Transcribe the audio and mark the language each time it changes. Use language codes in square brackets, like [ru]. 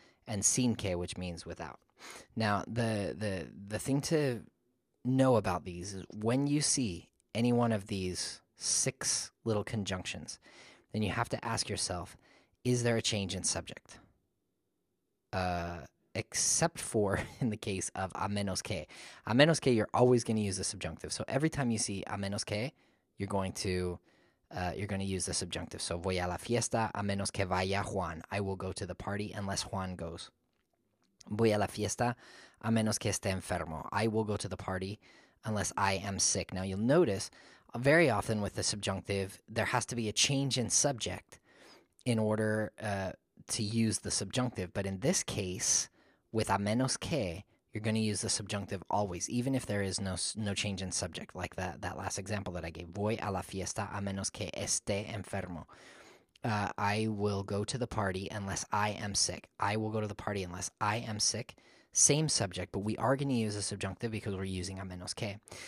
[en] And sin que, which means without. Now, the thing to know about these is when you see any one of these six little conjunctions, then you have to ask yourself, is there a change in subject? Except for in the case of a menos que. A menos que, you're always going to use the subjunctive. So every time you see a menos que, you're going to use the subjunctive. [es] So voy a la fiesta a menos que vaya Juan. [en] I will go to the party unless Juan goes. [es] Voy a la fiesta a menos que esté enfermo. [en] I will go to the party unless I am sick. Now, you'll notice very often with the subjunctive, there has to be a change in subject in order to use the subjunctive. But in this case, with a menos que, you're going to use the subjunctive always, even if there is no change in subject, like that last example that I gave. [es] Voy a la fiesta a menos que esté enfermo. [en] I will go to the party unless I am sick. I will go to the party unless I am sick. Same subject, but we are going to use a subjunctive because we're using a menos que.